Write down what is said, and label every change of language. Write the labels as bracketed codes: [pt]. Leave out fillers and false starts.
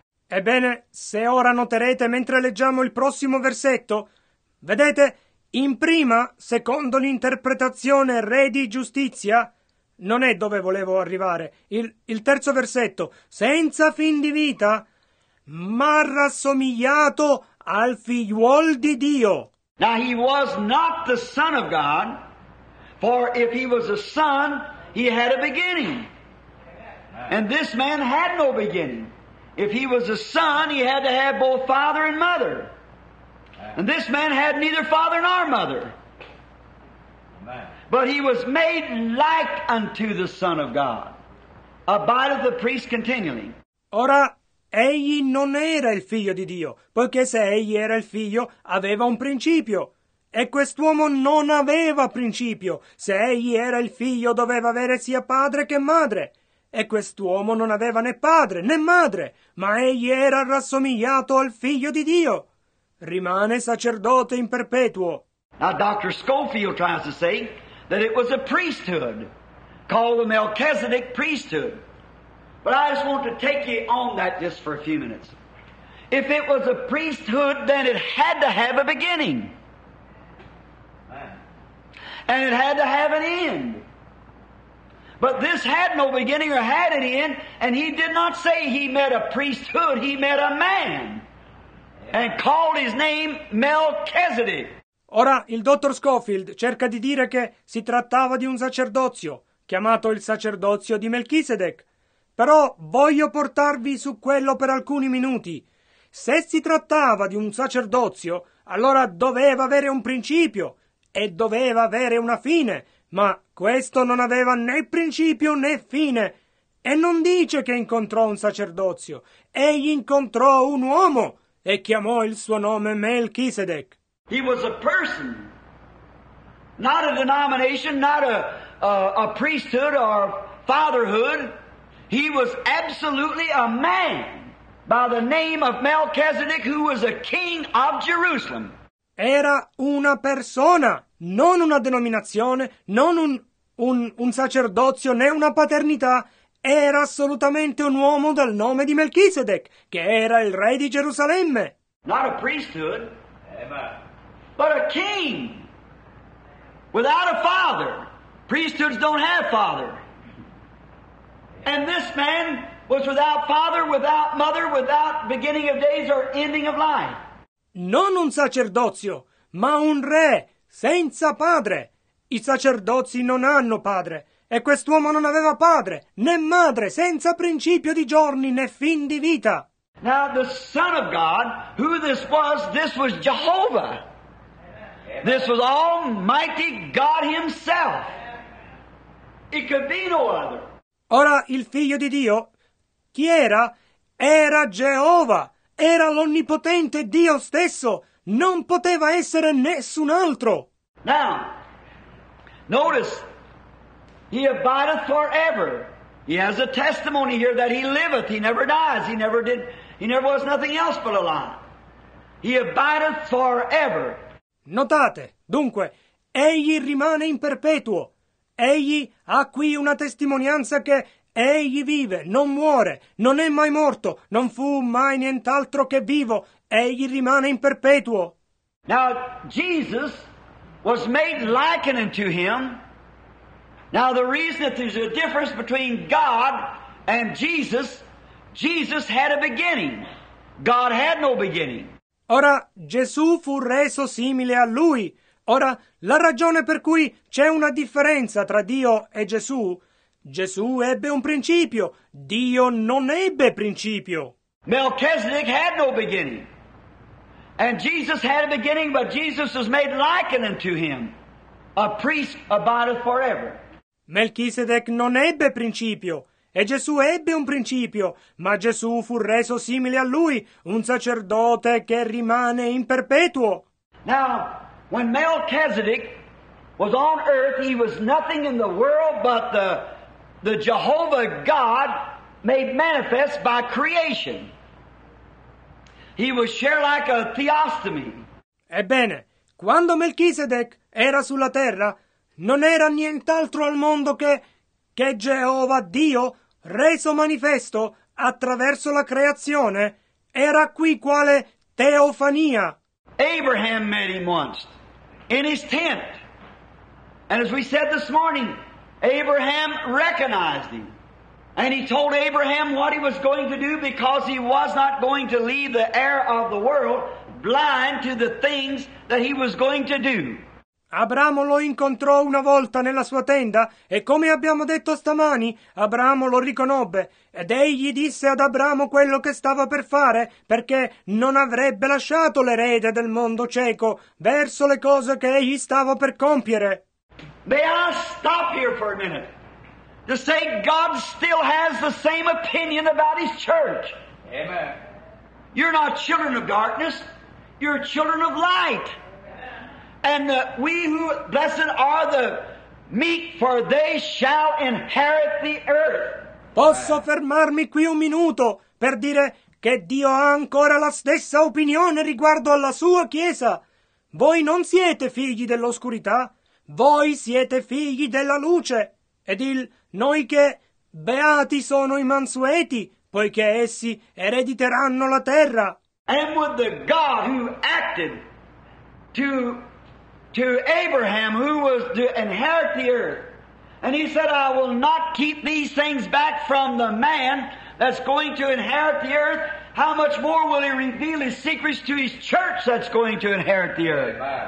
[it] Ebbene, se ora noterete mentre leggiamo il prossimo versetto, vedete? In prima, secondo l'interpretazione re di giustizia, non è dove volevo arrivare, il terzo versetto, senza fin di vita, ma rassomigliato al figliuol di Dio. [en] Now he was not the son of God, for if he was a son, he had a beginning. And this man had no beginning. If he was a son, he had to have both father and mother. And this man had neither father nor mother. But he was made like unto the Son of God. Abideth the priest continually. [it] Ora, egli non era il figlio di Dio, poiché se egli era il figlio, aveva un principio. E quest'uomo non aveva principio. Se egli era il figlio, doveva avere sia padre che madre. E quest'uomo non aveva né padre né madre, ma egli era rassomigliato al figlio di Dio. Rimane sacerdote in perpetuo. [en] Now Dr. Scofield tries to say that it was a priesthood called the Melchizedek priesthood. But I just want to take you on that just for a few minutes. If it was a priesthood, then it had to have a beginning. And it had to have an end. But this had no beginning or had an end, and he did not say he met a priesthood, he met a man. And called his name Melchizedek. [it] Ora, il dottor Scofield cerca di dire che si trattava di un sacerdozio, chiamato il sacerdozio di Melchizedek. Però voglio portarvi su quello per alcuni minuti. Se si trattava di un sacerdozio, allora doveva avere un principio e doveva avere una fine, ma questo non aveva né principio né fine. E non dice che incontrò un sacerdozio, egli incontrò un uomo. E chiamò il suo nome Melchizedek. [en] He was a person, not a denomination, not a priesthood or fatherhood. He was absolutely a man by the name of Melchizedek, who was a king of Jerusalem. [it] Era una persona, non una denominazione, non un sacerdozio né una paternità. Era assolutamente un uomo dal nome di Melchizedek, che era il re di Gerusalemme. [en] Not a priesthood, but a king without a father. Priesthoods don't have father. And this man was without father, without mother, without beginning of days or ending of life. [it] Non un sacerdozio, ma un re senza padre. I sacerdozi non hanno padre. E quest'uomo non aveva padre, né madre, senza principio di giorni, né fin di vita. [en] Now the Son of God, who this was Jehovah. This was Almighty God Himself. It could be no other. [it] Ora, il figlio di Dio, chi era? Era Geova. era l'onnipotente Dio stesso, non poteva essere nessun altro. [en] Now, notice, he abideth forever. He has a testimony here that he liveth, he never dies, he never did, he never was nothing else but alive. He abideth forever. [it] Notate, dunque, egli rimane in perpetuo. Egli ha qui una testimonianza che egli vive, non muore, non è mai morto, non fu mai nient'altro che vivo. Egli rimane in perpetuo. [en] Now, Jesus was made likened to him. Now, the reason that there's a difference between God and Jesus, Jesus had a beginning. God had no beginning. [it] Ora, Gesù fu reso simile a lui. Ora, la ragione per cui c'è una differenza tra Dio e Gesù, Gesù ebbe un principio, Dio non ebbe principio. [en] Melchizedek had no beginning. And Jesus had a beginning, but Jesus was made likened unto him. A priest abideth forever. [it] Melchizedek non ebbe principio, e Gesù ebbe un principio, ma Gesù fu reso simile a lui, un sacerdote che rimane in perpetuo. [en] Now, when Melchizedek was on earth, he was nothing in the world but the Jehovah God made manifest by creation. He was share like a theostomy. [it] Ebbene, quando Melchizedek era sulla terra, non era nient'altro al mondo che Geova Dio reso manifesto attraverso la creazione. Era qui quale teofania. [en] Abraham met him once in his tent. And as we said this morning, Abraham recognized him. And he told Abraham what he was going to do because he was not going to leave the heir of the world blind to the things that he was going to do. [it] Abramo lo incontrò una volta nella sua tenda e come abbiamo detto stamani, Abramo lo riconobbe ed egli disse ad Abramo quello che stava per fare perché non avrebbe lasciato l'erede del mondo cieco verso le cose che egli stava per compiere. [en] May I stop here for a minute to say God still has the same opinion about his church. Amen. You're not children of darkness, you're children of light. And we who blessed are the meek, for they shall inherit the earth. [it] Posso fermarmi qui un minuto per dire che Dio ha ancora la stessa opinione riguardo alla sua chiesa. Voi non siete figli dell'oscurità, voi siete figli della luce. Ed il noi che beati sono i mansueti, poiché essi erediteranno la terra. [en] And with the God who acted to Abraham, who was to inherit the earth. And he said, I will not keep these things back from the man that's going to inherit the earth. How much more will he reveal his secrets to his church that's going to inherit the earth?